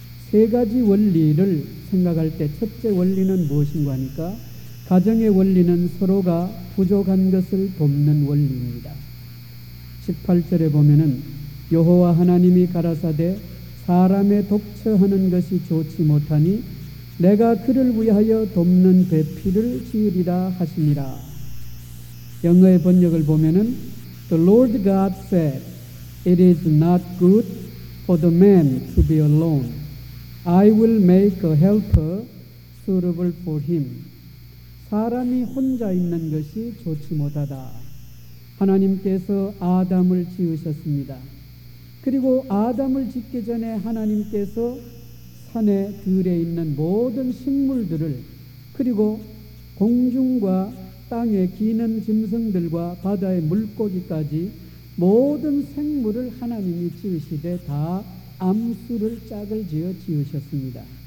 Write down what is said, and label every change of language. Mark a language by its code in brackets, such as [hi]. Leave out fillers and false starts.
[ko] 세 가지 원리를 생각할 때 첫째 원리는 무엇인가 하니까 가정의 원리는 서로가 부족한 것을 돕는 원리입니다. 18절에 보면은 여호와 하나님이 가라사대 사람의 독처하는 것이 좋지 못하니 내가 그를 위하여 돕는 배필을 지으리라 하시니라. 영어의 번역을 보면은 [en] The Lord God said, It is not good for the man to be alone. I will make a helper suitable for him. [ko] 사람이 혼자 있는 것이 좋지 못하다. 하나님께서 아담을 지으셨습니다. 그리고 아담을 짓기 전에 하나님께서 산에 들에 있는 모든 식물들을 그리고 공중과 땅에 기는 짐승들과 바다의 물고기까지 모든 생물을 하나님이 지으시되 다 암수를 짝을 지어 지으셨습니다.